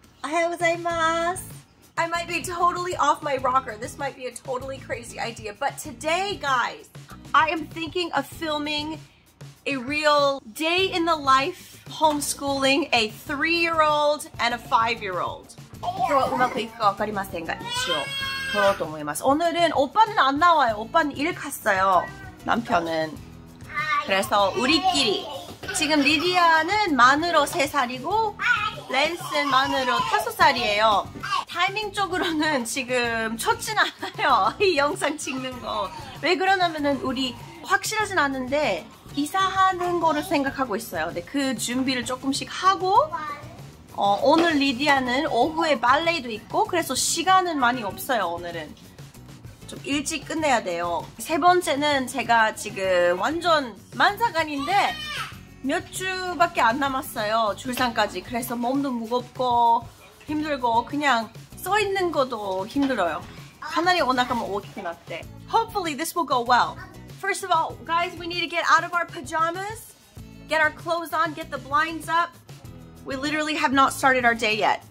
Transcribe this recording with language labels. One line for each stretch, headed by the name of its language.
Korean: 안녕하세요.
English: I might be totally off my rocker. This might be a totally crazy idea. But today, guys, I am thinking of filming a real day in the life homeschooling a 3-year-old and a 5-year-old.
Korean: 저 음악도 있을 것 같습니다. 있죠. 그럴 것 같습니다. 오늘은 오빠는 안 나와요. 오빠는 일 갔어요. 남편은. 그래서 우리끼리. 지금 리디아는 만으로 3살이고 랜슨 만으로 5살이에요. 타이밍 쪽으로는 지금 좋진 않아요. 이 영상 찍는 거. 왜 그러냐면은 우리 확실하진 않은데 이사하는 거를 생각하고 있어요. 근데 그 준비를 조금씩 하고 오늘 리디아는 오후에 발레도 있고 그래서 시간은 많이 없어요. 오늘은 좀 일찍 끝내야 돼요. 세 번째는 제가 지금 완전 만사간인데 몇 주밖에 안 남았어요. 출산까지. 그래서 몸도 무겁고 힘들고 그냥 써 있는 것도 힘들어요. 하나님 오나가면 어떻게 났대.
English: Hopefully this will go well. First of all, guys, we need to get out of our pajamas, get our clothes on, get the blinds up. We literally have not started our day yet.